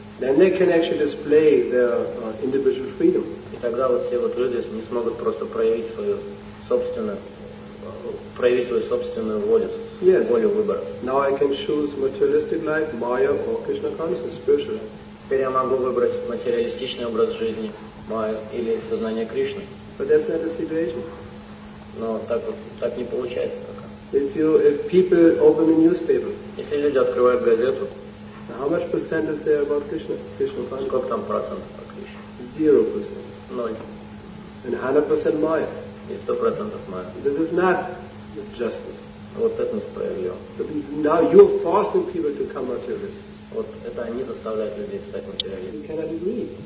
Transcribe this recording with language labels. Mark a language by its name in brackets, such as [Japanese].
[English] Then they can actually display their individual freedom. [Russian] И тогда вот все вот люди не смогут просто проявить свою собственную волю, [English] yes. [Russian] Волю выбора. [English] Now I can choose materialistic life, Maya or Krishna consciousness, spiritual. [Russian] Теперь я могу выбрать материалистичный образ жизни, Maya или сознание Кришны. [English] But that's not the situation. [Russian] Но так не получается пока. [English] If people open the newspaper. [Russian] Если люди открывают газету. [English] How much percent is there about Krishna consciousness? [Russian] Сколько там процентов о Кришне? [English] 0%. [Russian] Ноль. [English] And 100% Maya. [Russian] И 100% Maya. [English] This is not justice. [Russian] Вот это несправедливо. [English] Now you're forcing people to come materialist. [Russian] Вот это они заставляют людей стать материалистами. [English] We cannot agree.